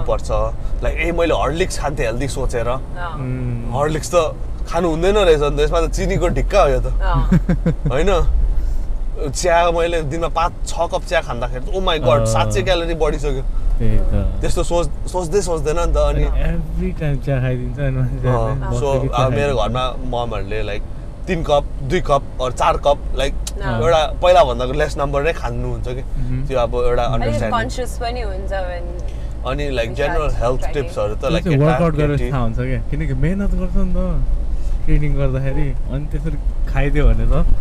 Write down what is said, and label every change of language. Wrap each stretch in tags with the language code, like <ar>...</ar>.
<en>I was like, I'm going to eat 400 grams of chicken.</en> <ne>Horlicks त खानु हुँदैन रहेछ नि त यसमा त चिनीको ढिक्का हो यो त होइन चिया मैले दिनमा 5-6 कप चिया खाँदाखेरि ओ माई गड 700 क्यालोरी बढिसक्यो त्यस्तो सोच्दै सोच्दैन नि त अनि एभ्री टाइम चिया खाइदिन्छ मेरो घरमा ममहरूले like</ne> <en>3 cup, 2 cup, or 4 cup,</en> <ne>like एउटा पहिला भन्दाको लेस नम्बर नै खानुहुन्छ कि त्यो अब एउटा</ne> <en>understanding</en> <ne>अनि लाइक जेनरल हेल्थ टिप्सहरू त लाइक वर्कआउट गरेर थाहा हुन्छ क्या किनकि मेहनत गर्छ नि त ट्रेनिङ गर्दाखेरि अनि त्यसरी खाइदियो भने त</ne>